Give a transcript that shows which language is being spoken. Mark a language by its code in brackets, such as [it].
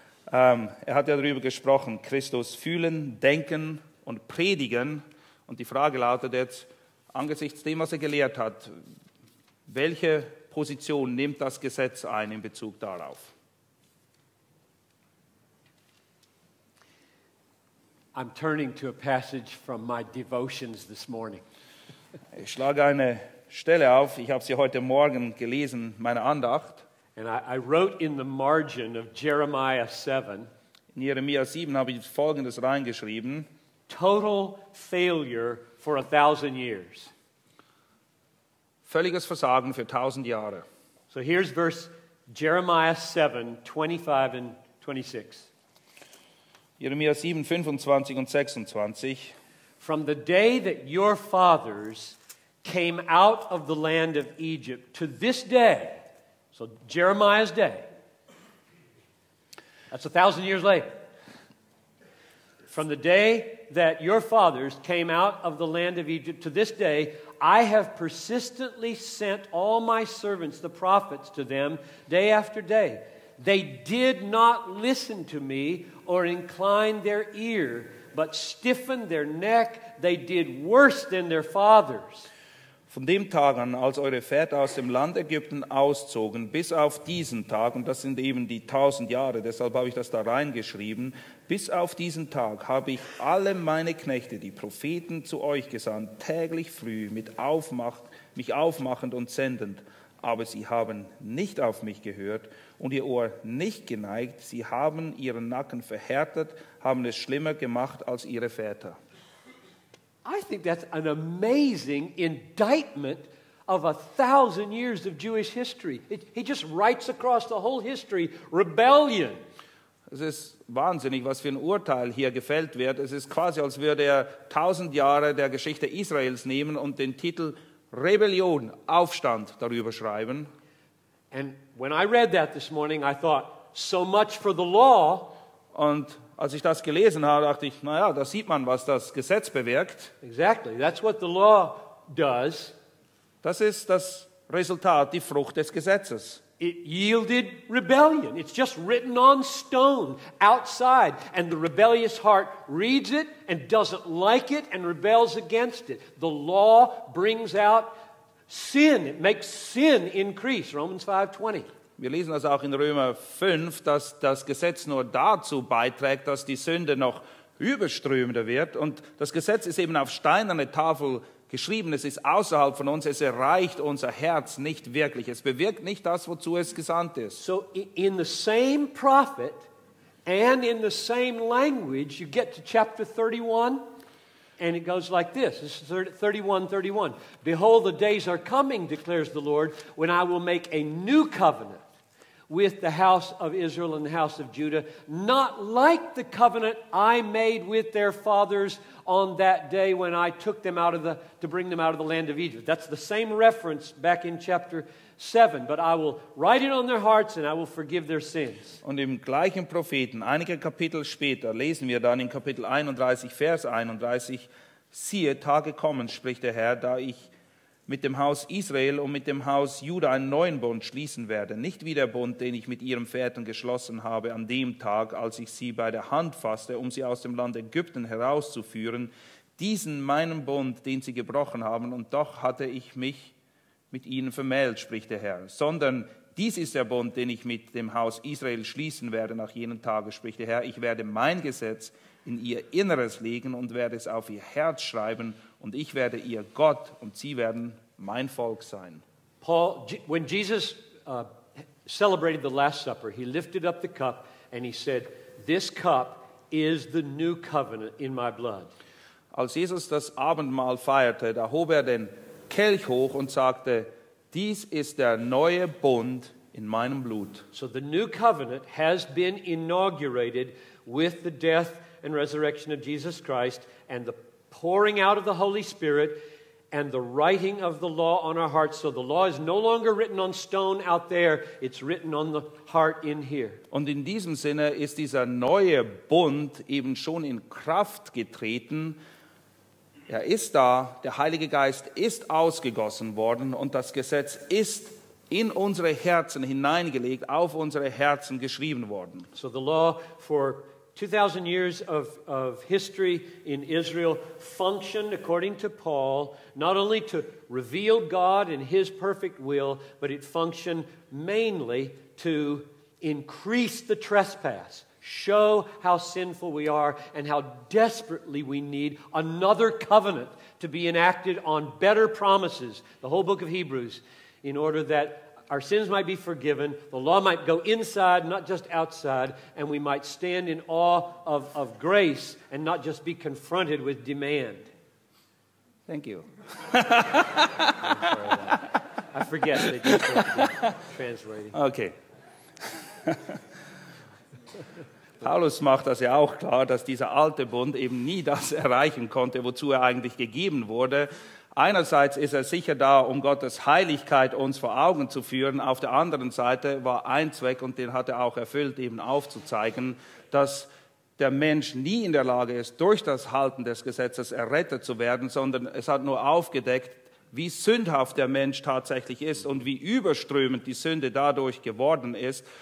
[de] Er hat ja darüber gesprochen, Christus fühlen, denken und predigen. Und die Frage lautet jetzt, angesichts dem, was er gelehrt hat, welche Position nimmt das Gesetz ein in Bezug darauf? [en] I'm turning to a passage from my devotions this morning. [de] Ich schlage eine Stelle auf. Ich habe sie heute Morgen gelesen, meine Andacht. [en] And I wrote in the margin of Jeremiah 7. [de] In Jeremia 7 habe ich Folgendes reingeschrieben. [en] Total failure for 1,000 years. [de] Völliges Versagen für 1,000 Jahre. [en] So here's verse Jeremiah 7, 25 and 26. [de] Jeremia 7, 25 und 26. [en] From the day that your fathers came out of the land of Egypt to this day, so Jeremiah's day, that's 1,000 years later. From the day that your fathers came out of the land of Egypt to this day, I have persistently sent all my servants, the prophets, to them day after day. They did not listen to me or incline their ear, but stiffened their neck. They did worse than their fathers. [de] Von dem Tag an, als eure Väter aus dem Land Ägypten auszogen, bis auf diesen Tag, und das sind eben die 1,000 Jahre, deshalb habe ich das da reingeschrieben, bis auf diesen Tag habe ich alle meine Knechte, die Propheten, zu euch gesandt, täglich früh mich aufmachend und sendend. Aber sie haben nicht auf mich gehört und ihr Ohr nicht geneigt. Sie haben ihren Nacken verhärtet, haben es schlimmer gemacht als ihre Väter. [en] I think that's an amazing indictment of 1,000 years of Jewish history. He just writes across the whole history, rebellion. [de] Es ist wahnsinnig, was für ein Urteil hier gefällt wird. Es ist quasi, als würde er 1,000 Jahre der Geschichte Israels nehmen und den Titel Rebellion, Aufstand darüber schreiben. [en] And when I read that this morning, I thought, so much for the law. [de] Und als ich das gelesen habe, dachte ich, naja, da sieht man, was das Gesetz bewirkt. [en] Exactly, that's what the law does. [de] Das ist das Resultat, die Frucht des Gesetzes. [en] It yielded rebellion. It's just written on stone outside. And the rebellious heart reads it and doesn't like it and rebels against it. The law brings out sin. It makes sin increase. Romans 5:20. [de] Wir lesen das auch in Römer 5, dass das Gesetz nur dazu beiträgt, dass die Sünde noch überströmender wird. Und das Gesetz ist eben auf steinerne Tafel geschrieben, es ist außerhalb von uns, es erreicht unser Herz nicht wirklich. Es bewirkt nicht das, wozu es gesandt ist. [en] So in the same prophet and in the same language, you get to chapter 31 and it goes like this. This is 31:31. Behold, the days are coming, declares the Lord, when I will make a new covenant with the house of Israel and the house of Judah, not like the covenant I made with their fathers on that day when I took them out of to bring them out of the land of Egypt. That's the same reference back in chapter 7. But I will write it on their hearts and I will forgive their sins. [de] Und im gleichen Propheten, einige Kapitel später, lesen wir dann in Kapitel 31, Vers 31, siehe, Tage kommen, spricht der Herr, da ich mit dem Haus Israel und mit dem Haus Juda einen neuen Bund schließen werde. Nicht wie der Bund, den ich mit ihren Vätern geschlossen habe an dem Tag, als ich sie bei der Hand fasste, um sie aus dem Land Ägypten herauszuführen. Diesen meinen Bund, den sie gebrochen haben, und doch hatte ich mich mit ihnen vermählt, spricht der Herr. Sondern dies ist der Bund, den ich mit dem Haus Israel schließen werde nach jenen Tagen, spricht der Herr. Ich werde mein Gesetz in ihr Inneres legen und werde es auf ihr Herz schreiben, und ich werde ihr Gott und sie werden mein Volk sein. [en] Paul, when Jesus celebrated the Last Supper, he lifted up the cup and he said, this cup is the new covenant in my blood. [de] Als Jesus das Abendmahl feierte, da hob er den Kelch hoch und sagte, dies ist der neue Bund in meinem Blut. [en] So the new covenant has been inaugurated with the death and resurrection of Jesus Christ and the pouring out of the Holy Spirit and the writing of the law on our hearts. So the law is no longer written on stone out there. It's written on the heart in here. [de] Und in diesem Sinne ist dieser neue Bund eben schon in Kraft getreten. Er ist da. Der Heilige Geist ist ausgegossen worden und das Gesetz ist in unsere Herzen hineingelegt, auf unsere Herzen geschrieben worden. [en] So the law for 2,000 years of history in Israel functioned, according to Paul, not only to reveal God and His perfect will, but it functioned mainly to increase the trespass, show how sinful we are and how desperately we need another covenant to be enacted on better promises, the whole book of Hebrews, in order that our sins might be forgiven, the law might go inside, not just outside, and we might stand in awe of grace and not just be confronted with demand. Thank you. I forget that you're supposed to be translating. Okay. [de] Paulus macht das ja auch klar, dass dieser alte Bund eben nie das erreichen konnte, wozu er eigentlich gegeben wurde. Einerseits ist er sicher da, um Gottes Heiligkeit uns vor Augen zu führen. Auf der anderen Seite war ein Zweck, und den hat er auch erfüllt, eben aufzuzeigen, dass der Mensch nie in der Lage ist, durch das Halten des Gesetzes errettet zu werden, sondern es hat nur aufgedeckt, wie sündhaft der Mensch tatsächlich ist und wie überströmend die Sünde dadurch geworden ist.